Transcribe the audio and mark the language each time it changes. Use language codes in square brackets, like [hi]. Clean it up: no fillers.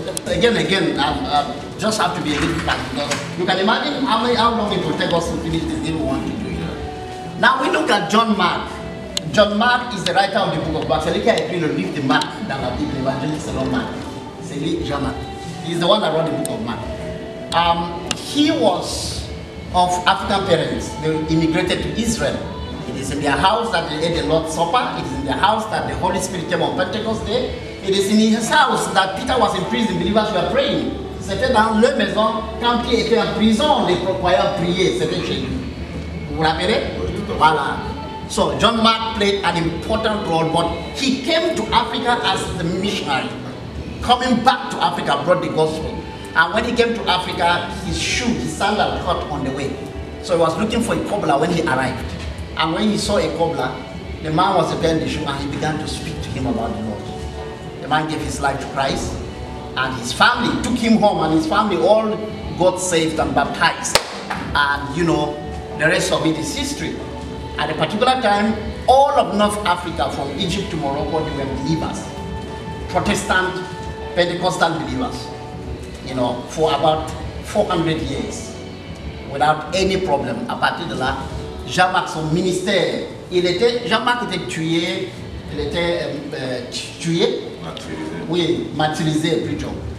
[en] Again, I just have to be a little fast because you can imagine how long it will take us to finish this thing we want to do. Now we look at John Mark. John Mark is the writer of the book of Mark. [fr] C'est lui qui a écrit le livre de Mark dans la Bible, l'évangéliste selon Mark. C'est lui, John Mark. [en] He's the one that wrote the book of Mark. He was of African parents. They immigrated to Israel. It is in their house that they ate the Lord's Supper. It is in their house that the Holy Spirit came on Pentecost Day. It is in his house that Peter was in prison, believers were praying. [fr] C'était dans leur maison, quand Pierre était en prison, les croyants priaient. C'était chez lui. Vous vous rappelez? Voilà. [en] So John Mark played an important role, but he came to Africa as the missionary. Coming back to Africa brought the gospel. And when he came to Africa, his shoe, his sandal cut on the way. So he was looking for a cobbler when he arrived. And when he saw a cobbler, the man was bearing the shoe and he began to speak to him about the Lord. The man gave his life to Christ and his family took him home and his family all got saved and baptized. And you know, the rest of it is history. At a particular time, all of North Africa, from Egypt to Morocco, they were believers. Protestant, Pentecostal believers. You know, for about 400 years, without any problem. [fr] À partir de là, Jean-Marc, son ministère, Jean-Marc était martyrisé, plutôt.